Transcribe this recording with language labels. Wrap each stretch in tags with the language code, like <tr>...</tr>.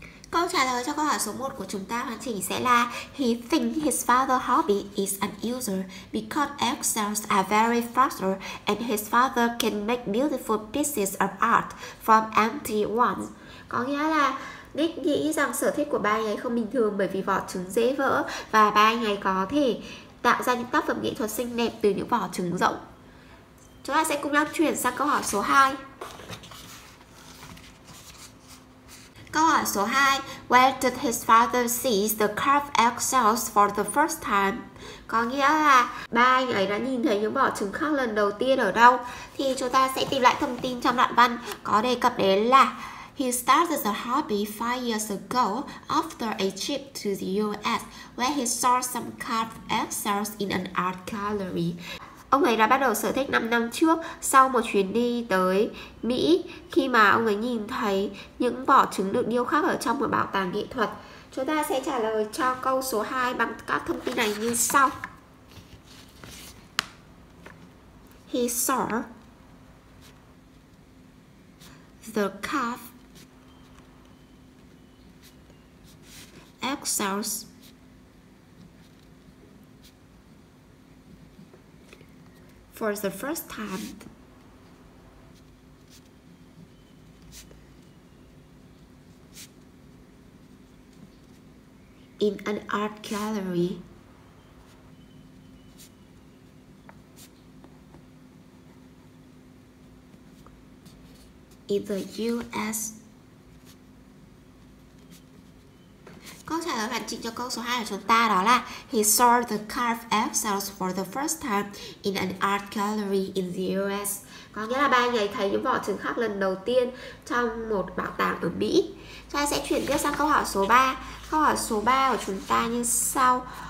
<vi>Câu trả lời cho câu hỏi số 1 của chúng ta hoàn chỉnh sẽ là</vi> <en>He thinks his father's hobby is unusual because eggshells are very fragile and his father can make beautiful pieces of art from empty ones.</en> <vi>Có nghĩa là Nick nghĩ rằng sở thích của ba anh ấy không bình thường bởi vì vỏ trứng dễ vỡ và ba anh ấy có thể tạo ra những tác phẩm nghệ thuật xinh đẹp từ những vỏ trứng rỗng. Chúng ta sẽ cùng nhau chuyển sang câu hỏi số 2. Câu hỏi số 2.</vi> <en>Where did his father see the carved eggshells for the first time?</en> <vi>Có nghĩa là ba anh ấy đã nhìn thấy những vỏ trứng khác lần đầu tiên ở đâu? Thì chúng ta sẽ tìm lại thông tin trong đoạn văn có đề cập đến là</vi> <en>He started the hobby 5 years ago after a trip to the US where he saw some carved eggshells in an art gallery.</en> <vi>Ông ấy đã bắt đầu sở thích 5 năm trước sau một chuyến đi tới Mỹ khi mà ông ấy nhìn thấy những vỏ trứng được điêu khắc ở trong một bảo tàng nghệ thuật. Chúng ta sẽ trả lời cho câu số 2 bằng các thông tin này như sau.</vi> <en>He saw the carved eggshells for the first time in an art gallery in the US.</en> <vi>Câu trả lời hoàn chỉnh cho câu số 2 của chúng ta đó là</vi> <en>He saw the carved eggshells for the first time in an art gallery in the US.</en> <vi>Có nghĩa là ba anh ấy thấy những vỏ trứng khác lần đầu tiên trong một bảo tàng ở Mỹ. Chúng ta sẽ chuyển tiếp sang câu hỏi số 3. Câu hỏi số 3 của chúng ta như sau.</vi>